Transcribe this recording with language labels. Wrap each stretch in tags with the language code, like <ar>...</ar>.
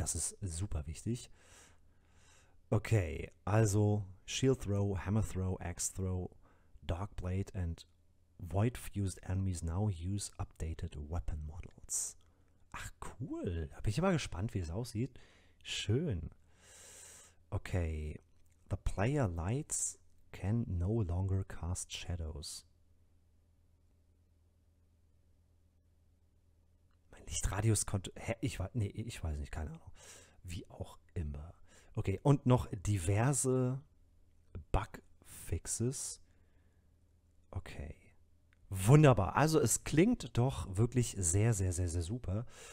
<en>Das ist super wichtig. Okay, also Shield Throw, Hammer Throw, Axe Throw, Dark Blade and Void Fused Enemies now use updated weapon models.</en> <de>Ach cool, da bin ich immer gespannt, wie es aussieht. Schön.</de> <en>Okay, the player lights can no longer cast shadows.</en> <de>Mein Lichtradius konnte, ich weiß nicht, keine Ahnung. Wie auch immer. Okay, und noch diverse Bugfixes. Okay, wunderbar. Also es klingt doch wirklich sehr, sehr, sehr, sehr super.</de>